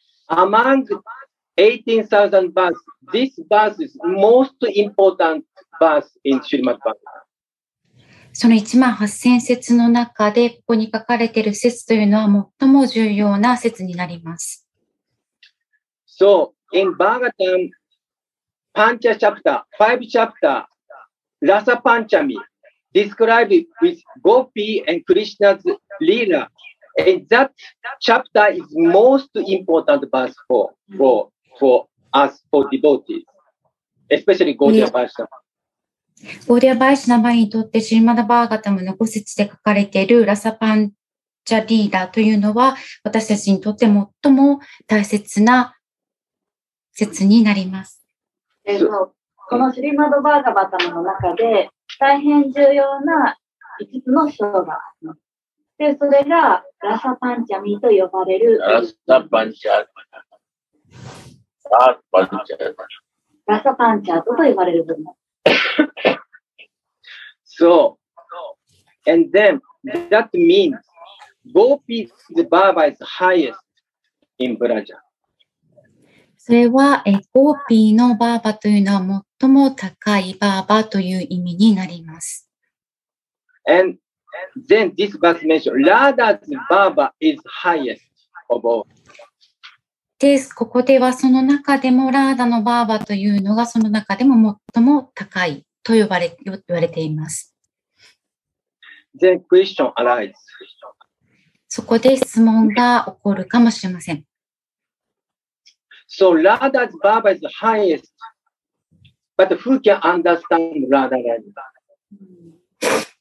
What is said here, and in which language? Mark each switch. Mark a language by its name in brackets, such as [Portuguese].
[English] Among 18,000 verses, this verse is most important verse in Srimad Bhagavatam. [Japanese] その1万8000節の中で、ここに書かれている節というのは最も重要な節になります。 [English] So, in Bhagavatam, Pancha chapter, five chapter, Rasa Panchami,Describe with Gopi and Krishna's Leela. And that chapter is most important verse for us, for devotees, especially Gaudiya Vaishnava. [Japanese] Gaudiya Vaishnava にとって、シリマダバーガタムの5節で書かれているラサパンチャリーダーというのは、私たちにとって最も大切な節になります。このシリマダバーガタムの中で、大変重要な5つの章があります。で、それがラサパンチャミと呼ばれる。ラサパンチャミ。ラサパンチャミ。ラサパンチャミと呼ばれる部分。 [English] So, and then that means Gopi's Bhava is highest in Braja. [Japanese] それはゴーピーのバーバというのは最も高いバーバという意味になります。 [English] And then this verse mentions Radha's Baba is highest of all. [Japanese] です。ここではその中でもラーダのバーバというのがその中でも最も高いと言われています。 [English] Then question arises. [Japanese] そこで質問が起こるかもしれません。 [English] So Radha's Baba is the highest, but who can understand Radha like that?